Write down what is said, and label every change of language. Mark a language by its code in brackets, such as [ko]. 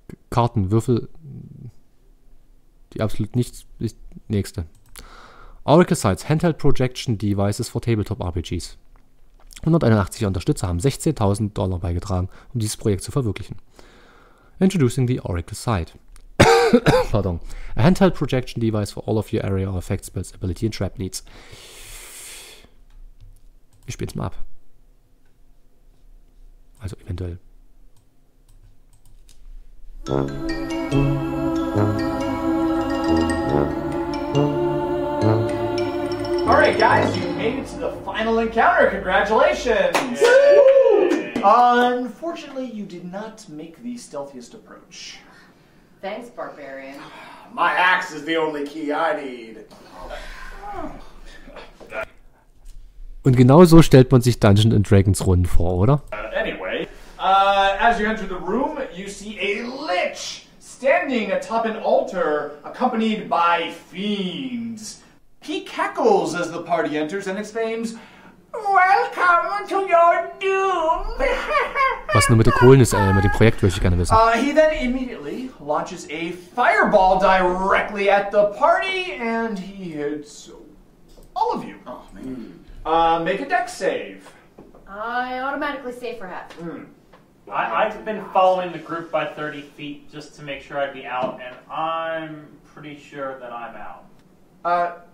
[de] Karten, Würfel. Die absolut nichts. Nächste. [en] Oracle Sites, Handheld Projection Devices for Tabletop RPGs. [de] 181 Unterstützer haben $16,000 beigetragen, um dieses Projekt zu verwirklichen. [en] Introducing the Oracle Site. Pardon. A handheld projection device for all of your area of effect spells, ability and trap needs. [de] Ich spiel's mal ab. Also eventuell. [en] Alright guys, you made it to the final encounter. Congratulations! Unfortunately, you did not make the stealthiest approach. Thanks, Barbarian. My axe is the only key I need. [de] Und genau so stellt man sich Dungeons & Dragons Runden vor, oder? [en] As you enter the room, you see a lich standing atop an altar accompanied by fiends. He cackles as the party enters and exclaims, "Welcome to your doom!" [de] Was nur mit der Kohlen ist, mit dem Projekt würde ich gerne wissen. [en] He then immediately launches a fireball directly at the party, and he hits all of you. Oh, man. Make a dex save. I automatically save for half. I've been following the group by 30 feet just to make sure I'd be out, and I'm pretty sure that I'm out.